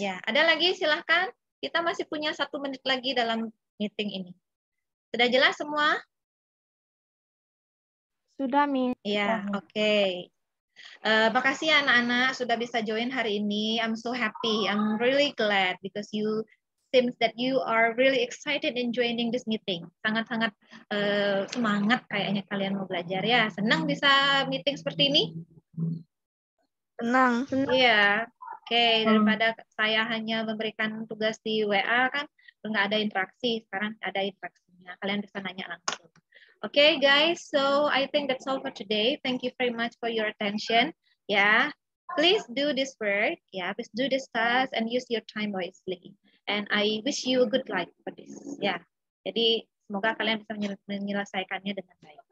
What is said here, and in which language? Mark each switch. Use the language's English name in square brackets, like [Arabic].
[Indonesian] Ya, ada lagi silahkan. Kita masih punya satu menit lagi dalam meeting ini. Sudah jelas semua? Sudah, Miss. Ya, oke. Makasih ya anak-anak sudah bisa join hari ini. [English] I'm so happy. I'm really glad because you... seems that you are really excited in joining this meeting. [Indonesian] Sangat-sangat semangat kayaknya kalian mau belajar ya. Senang bisa meeting seperti ini? Senang. Iya. Yeah. Oke, okay. Daripada saya hanya memberikan tugas di WA kan, enggak ada interaksi. Sekarang ada interaksinya. Kalian bisa nanya langsung. [English] Oke, okay, guys. So, I think that's all for today. Thank you very much for your attention. Ya. Yeah. Please do this work. Ya, yeah. Please do this task and use your time wisely. And I wish you a good life for this. Yeah. [Indonesian] Jadi semoga kalian bisa menyelesaikannya dengan baik.